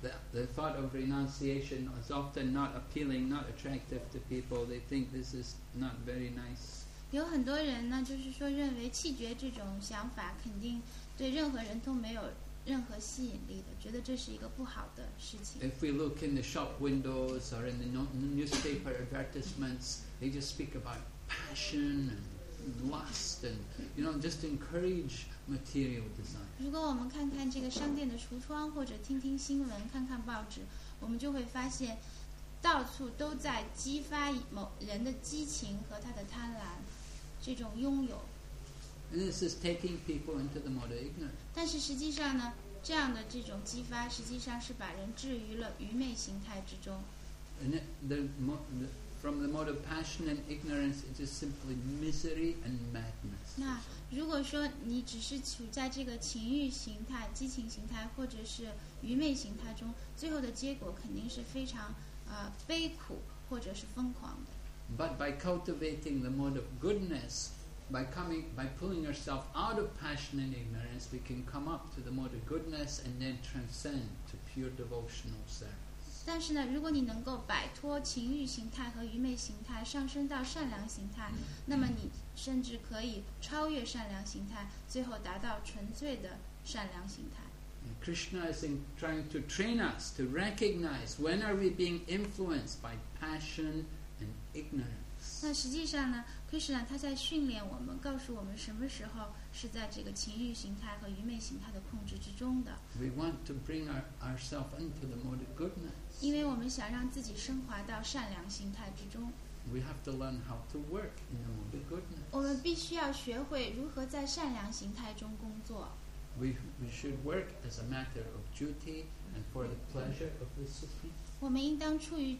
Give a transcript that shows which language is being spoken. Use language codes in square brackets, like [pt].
[en] The thought of renunciation is often not appealing, not attractive to people. They think this is not very nice. [zh] 有很多人呢，就是说认为弃绝这种想法肯定对任何人都没有任何吸引力的，觉得这是一个不好的事情。 [en] If we look in the shop windows or in the newspaper advertisements, they just speak about passion and lust and, you know, just encourage. Material design. [zh] 如果我们看看这个商店的橱窗，或者听听新闻、看看报纸，我们就会发现，到处都在激发某人的激情和他的贪婪，这种拥有。 [en] And this is taking people into the mode of ignorance. [zh] 但是实际上呢，这样的这种激发，实际上是把人置于了愚昧形态之中。 [en] And from the mode of passion and ignorance, it is simply misery and madness. [zh] 那如果说你只是处在这个情欲形态、激情形态或者是愚昧形态中，最后的结果肯定是非常悲苦或者是疯狂的。 [en] But by cultivating the mode of goodness, by coming, by pulling yourself out of passion and ignorance, we can come up to the mode of goodness and then transcend to pure devotional service. [zh] 但是呢，如果你能够摆脱情欲形态和愚昧形态，上升到善良形态，那么你甚至可以超越善良形态，最后达到纯粹的善良形态。 [en] Krishna is trying to train us to recognize when are we being influenced by passion and ignorance. [zh] 那实际上呢，Krishna他在训练我们，告诉我们什么时候是在这个情欲形态和愚昧形态的控制之中的。 [en] We want to bring ourselves into the mode of goodness. [zh] 因为我们想让自己升华到善良形态之中。 [en] We have to learn how to work in the mode of goodness. [zh] 我们必须要学会如何在善良形态中工作。 [en] We should work as a matter of duty and for the pleasure of the Supreme.